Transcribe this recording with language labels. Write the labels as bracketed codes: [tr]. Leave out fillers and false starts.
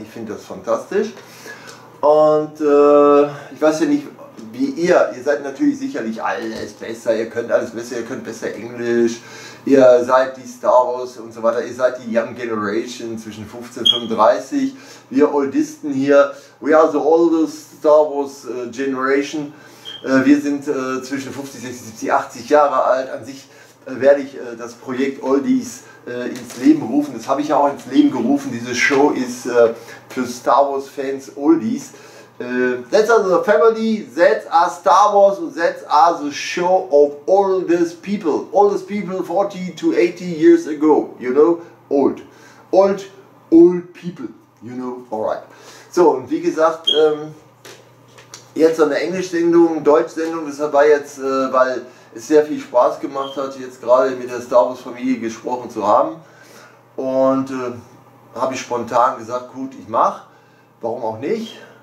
[de] Ich finde das fantastisch. Und ich weiß ja nicht, wie ihr seid natürlich sicherlich alles besser, ihr könnt alles besser, ihr könnt besser Englisch, ihr seid die Star Wars und so weiter, ihr seid die Young Generation zwischen 15 und 35, wir Oldisten hier, [en] we are the oldest Star Wars Generation, [de] wir sind zwischen 50, 60, 70, 80 Jahre alt, an sich werde ich das Projekt Oldies ins Leben rufen, das habe ich ja auch ins Leben gerufen, diese Show ist für Star Wars Fans Oldies. [en] That's are the family, that's are Star Wars, that's are the show of oldest people 40 to 80 years ago, you know, old people, you know, alright. [de] So, und wie gesagt, jetzt eine Englisch-Sendung, Deutsch-Sendung ist dabei jetzt, weil es sehr viel Spaß gemacht hat, jetzt gerade mit der Star Wars-Familie gesprochen zu haben. Und habe ich spontan gesagt, gut, ich mach, warum auch nicht.